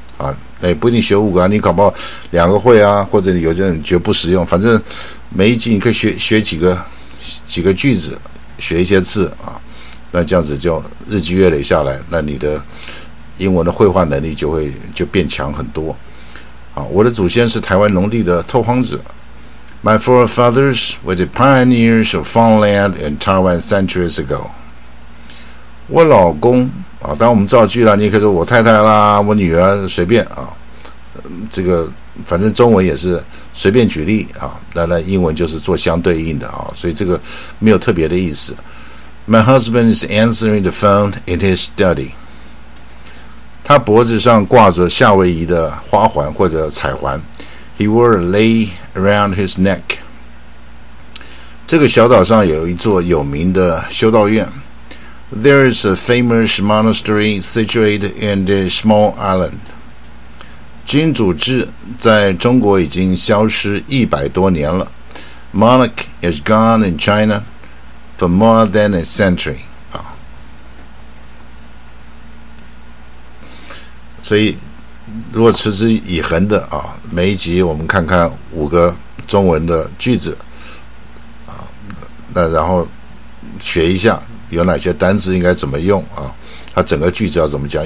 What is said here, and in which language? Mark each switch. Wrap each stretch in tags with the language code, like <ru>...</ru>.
<zh>啊，那也不一定学五个啊，你搞不好两个会啊，或者有些人觉得不实用，反正每一集你可以学几个句子，学一些字啊，那这样子就日积月累下来，那你的英文的绘画能力就变强很多啊。我的祖先是台湾农地的拓荒者。</zh> <en>My forefathers were the pioneers of farmland in Taiwan centuries ago。</en> <zh>我老公啊，当然我们造句了，你可以说我太太啦，我女儿，随便啊，这个反正中文也是随便举例啊，那英文就是做相对应的啊，所以这个没有特别的意思。</zh> <en>My husband is answering the phone in his study.</en> <zh>他脖子上挂着夏威夷的花环或者彩环。</zh> <en>He wore a lei around his neck.</en> <zh>这个小岛上有一座有名的修道院。</zh> <en>There is a famous monastery situated in this small island.</en> <zh>君主制在中国已经消失100多年了。</zh> <en>Monarch is gone in China for more than a century.</en> <zh>所以如果持之以恒的啊，每一集我们看看五个中文的句子啊，那然后学一下有哪些单词应该怎么用啊，它整个句子要怎么讲。</zh>